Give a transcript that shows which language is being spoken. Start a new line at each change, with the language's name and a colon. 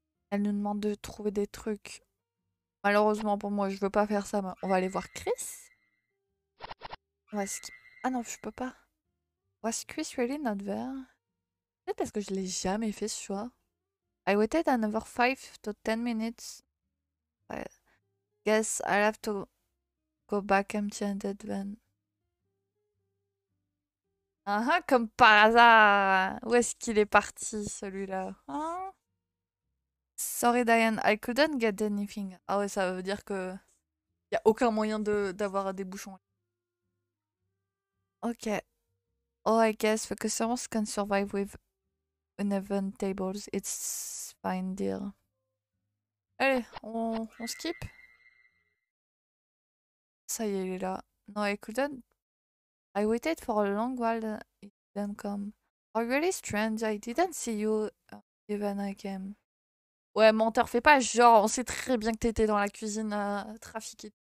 French: Elle nous demande de trouver des trucs. Malheureusement pour moi, je veux pas faire ça. Mais on va aller voir Chris.
English: Was...
French: Ah non, je peux pas.
English: Was Chris really not there?
French: Peut-être parce que je l'ai jamais fait ce choix.
English: I waited another 5 to 10 minutes. I guess I'll have to go back empty-handed then.
French: Ah, comme par hasard, où est-ce qu'il est parti celui-là, hein?
English: Sorry Diane, I couldn't get anything.
French: Ah ouais, ça veut dire que y a aucun moyen d'avoir des bouchons.
English: Ok. Oh, I guess the customers can survive with uneven tables. It's fine, dear.
French: Allez, on skip. Ça y est, il est là.
English: No, I couldn't. I waited for a long while it didn't come. Oh, really strange, I didn't see you even I came.
French: Ouais, menteur, fais pas genre, on sait très bien que t'étais dans la cuisine trafiquée.